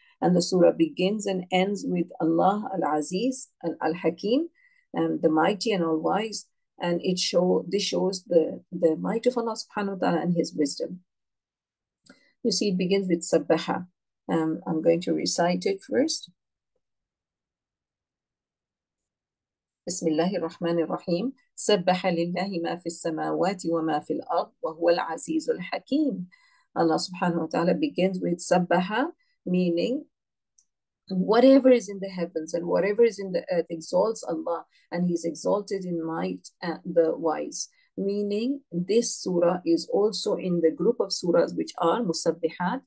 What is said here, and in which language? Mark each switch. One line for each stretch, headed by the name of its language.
English: And the surah begins and ends with Allah Al-Aziz, Al-Hakim, the mighty and all-wise. And this shows the might of Allah subhanahu wa ta'ala and his wisdom. You see, it begins with Sabbaha. I'm going to recite it first.
Arabic: بسم الله الرحمن الرحيم سبح لله ما في السماوات وما في الأرض وهو العزيز الحكيم.
English: Allah subhanahu wa ta'ala begins with sabbaha, meaning whatever is in the heavens and whatever is in the earth exalts Allah, and he is exalted in might and the wise. Meaning this surah is also in the group of surahs which are musabbihat.